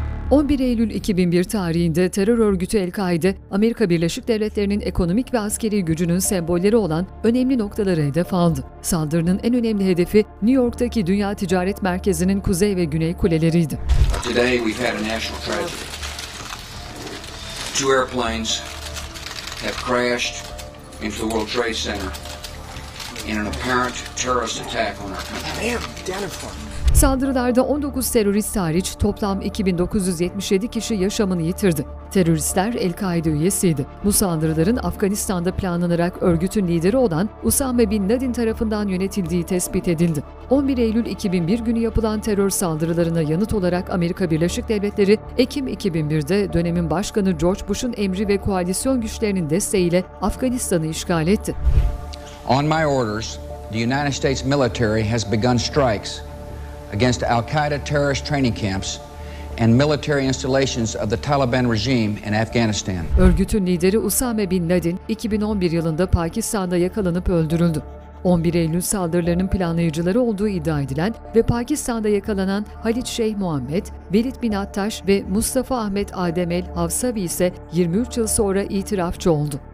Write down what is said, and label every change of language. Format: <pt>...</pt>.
<tr>11 Eylül 2001 tarihinde terör örgütü El-Kaide, Amerika Birleşik Devletleri'nin ekonomik ve askeri gücünün sembolleri olan önemli noktaları hedef aldı. Saldırının en önemli hedefi New York'taki Dünya Ticaret Merkezi'nin kuzey ve güney kuleleriydi.</tr> <en>Today we've had a national tragedy. Two airplanes have crashed into the World Trade Center in an apparent terrorist attack on our country.</en> <tr>Saldırılarda 19 terörist hariç toplam 2977 kişi yaşamını yitirdi. Teröristler El-Kaide üyesiydi. Bu saldırıların Afganistan'da planlanarak örgütün lideri olan Usame Bin Laden tarafından yönetildiği tespit edildi. 11 Eylül 2001 günü yapılan terör saldırılarına yanıt olarak Amerika Birleşik Devletleri, Ekim 2001'de dönemin başkanı George Bush'un emri ve koalisyon güçlerinin desteğiyle Afganistan'ı işgal etti.</tr> <en>On my orders, the United States military has begun strikes against Al-Qaeda terrorist training camps and military installations of the Taliban regime in Afghanistan.</en> <tr>Örgütün lideri Usame Bin Laden 2011 yılında Pakistan'da yakalanıp öldürüldü. 11 Eylül saldırılarının planlayıcıları olduğu iddia edilen ve Pakistan'da yakalanan Halit Şeyh Muhammed, Velid Bin Attaş ve Mustafa Ahmet Adem El Havsavi ise 23 yıl sonra itirafçı oldu.</tr>